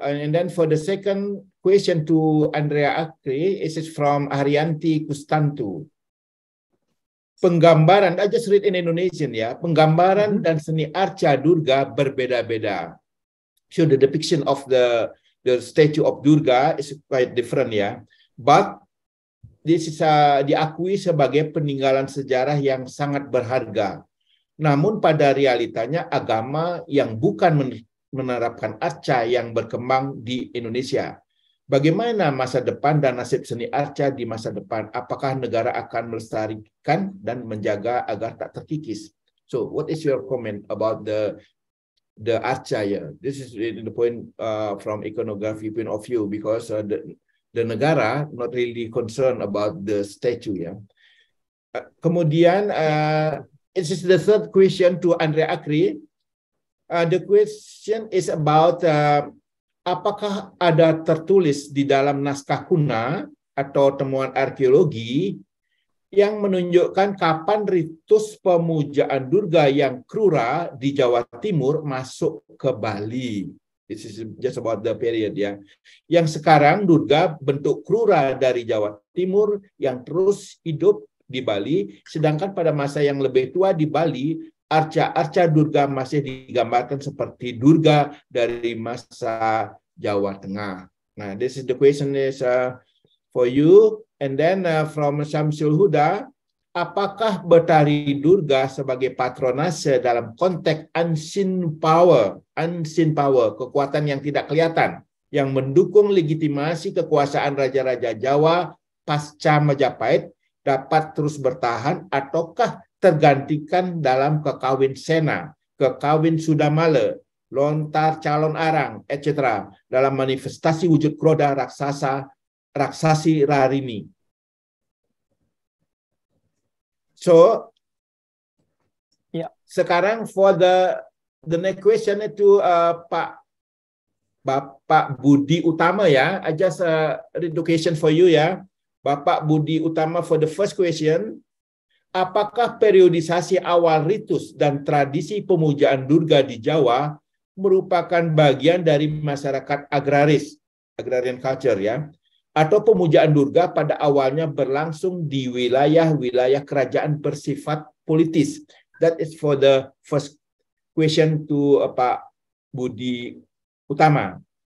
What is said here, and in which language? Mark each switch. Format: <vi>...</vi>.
<en>And then for the second question to Andrea Akri, it is from Arianti Kustantu.</en> <id>Penggambaran,</id> <en>I just read in Indonesian</en> <id>ya, penggambaran dan seni Arca Durga berbeda-beda.</id> <en>So the depiction of the statue of Durga is quite different ya. But this is</en> <id>diakui sebagai peninggalan sejarah yang sangat berharga. Namun pada realitanya agama yang bukan menerapkan arca yang berkembang di Indonesia. Bagaimana masa depan dan nasib seni arca di masa depan? Apakah negara akan melestarikan dan menjaga agar tak terkikis?</id> <en>So, what is your comment about the arca? Yeah, this is the point from iconography point of view because the negara not really concerned about the statue. Yeah. Kemudian, this is the third question to Andrea Akri. The question is about</en> <id>apakah ada tertulis di dalam naskah kuna atau temuan arkeologi yang menunjukkan kapan ritus pemujaan Durga yang krura di Jawa Timur masuk ke Bali?</id> <en>This is just about the period</en> <id>ya. Yang sekarang Durga bentuk krura dari Jawa Timur yang terus hidup di Bali, sedangkan pada masa yang lebih tua di Bali, arca-arca Durga masih digambarkan seperti Durga dari masa Jawa Tengah.</id> <en>Nah, this is the question is for you. And then from</en> <id>Syamsul Huda, apakah Betari Durga sebagai patronase dalam konteks unseen power, kekuatan yang tidak kelihatan, yang mendukung legitimasi kekuasaan Raja-Raja Jawa pasca Majapahit dapat terus bertahan ataukah tergantikan dalam kekawin Sena, kekawin Sudamale, lontar calon arang, etc. dalam manifestasi wujud kroda raksasa, raksasi Rarini. So, yeah.</id> <en>Sekarang for the next question to Bapak Budi Utama ya, I just read the question for you ya, Bapak Budi Utama for the first question.</en> <id>Apakah periodisasi awal ritus dan tradisi pemujaan Durga di Jawa merupakan bagian dari masyarakat agraris, agrarian culture ya, atau pemujaan Durga pada awalnya berlangsung di wilayah-wilayah kerajaan bersifat politis?</id> <en>That is for the first question to Pak Budi Utama.</en>